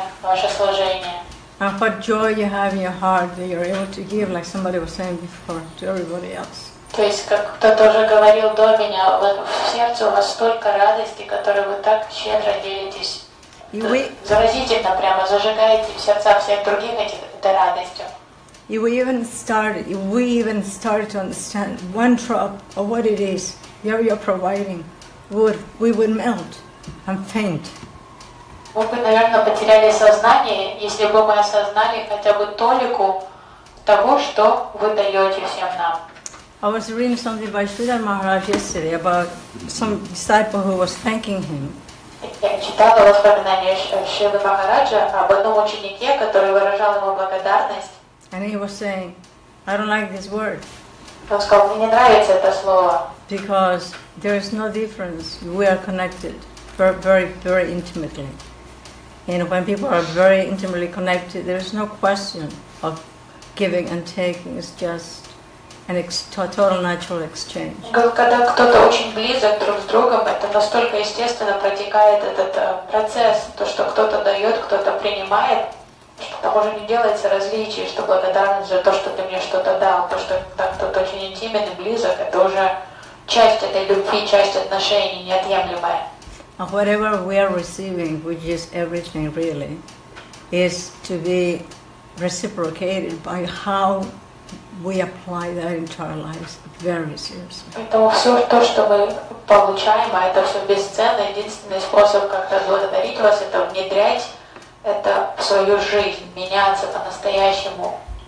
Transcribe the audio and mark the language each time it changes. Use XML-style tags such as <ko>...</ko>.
<en>And what joy you have in your heart that you're able to give, like somebody was saying before, to everybody else.</en> <ru>То есть, как кто-то уже говорил до меня, в сердце у вас столько радости, которой вы так щедро делитесь. Заразительно прямо зажигаете в сердца всех других этой радостью.</ru> <en>If we even started to understand one drop of what it is you're providing, we would melt and faint.</en> <ru>Мы бы, наверное, потеряли сознание, если бы мы осознали хотя бы толику того, что вы даете всем нам.</ru> <en>I was reading something by Sridhar Maharaj yesterday about some disciple who was thanking him.</en> <ru>Я читала воспоминания Шрилы Махараджа об одном ученике, который выражал ему благодарность.</ru> <en>And he was saying, I don't like this word.</en> <ru>Он сказал, мне не нравится это слово.</ru> <en>Because there is no difference. We are connected very, very, very intimately. And when people are very intimately connected, there is no question of giving and taking. It's just an total natural exchange.</en> <ru>Когда кто-то очень близок друг с другом, это настолько естественно протекает этот процесс, то, что кто-то дает, кто-то принимает. Потому что не делается различие, что благодарность за то, что ты мне что-то дал, то, что так тут очень интимен и близок, это уже часть этой любви, часть отношений, неотъемлемая.</ru> <en>And whatever we are receiving, which is everything really, is to be reciprocated by how we apply that into our lives very seriously.</en> <ru>Поэтому все то, что мы получаем, а это все бесценно, единственный способ как-то благодарить вас, это внедрять. Это в свою жизнь, меняться по-настоящему.</ru>